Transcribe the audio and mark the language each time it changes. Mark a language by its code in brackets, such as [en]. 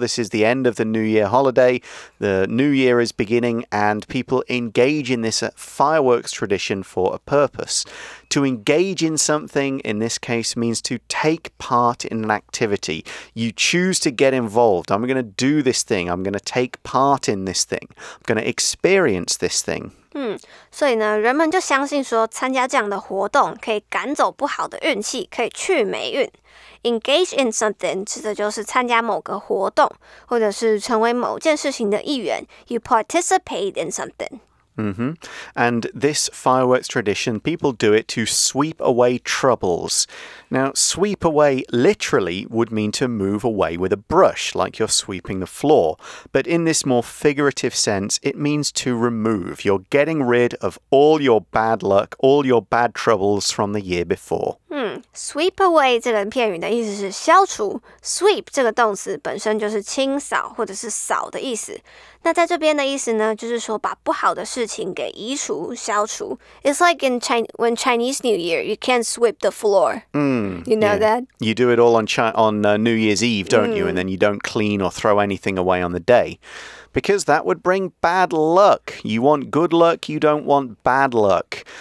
[en] This is the end of the New Year holiday. The new year is beginning and people engage in this fireworks tradition for a purpose. To engage in something, in this case, means to take part in an activity. You choose to get involved. I'm going to do this thing. I'm going to take part in this thing. I'm going to experience this thing. [zh] 所以呢，人们就相信说，参加这样的活动可以赶走不好的运气，可以去霉运。 [en] Engage in something [zh] 指的就是参加某个活动，或者是成为某件事情的一员。 [en] You participate in something. Mm-hmm. And this fireworks tradition, people do it to sweep away troubles. Now, sweep away literally would mean to move away with a brush, like you're sweeping the floor. But in this more figurative sense, it means to remove. You're getting rid of all your bad luck, all your bad troubles from the year before. Sweep away [zh] 这个片语的意思是消除。Sweep 这个动词本身就是清扫或者是扫的意思。那在这边的意思呢，就是说把不好的事情给移除、消除。 [en] It's like in when Chinese New Year, you can't sweep the floor. You know that? You do it all on New Year's Eve, don't you? And then you don't clean or throw anything away on the day. Because that would bring bad luck. You want good luck, you don't want bad luck.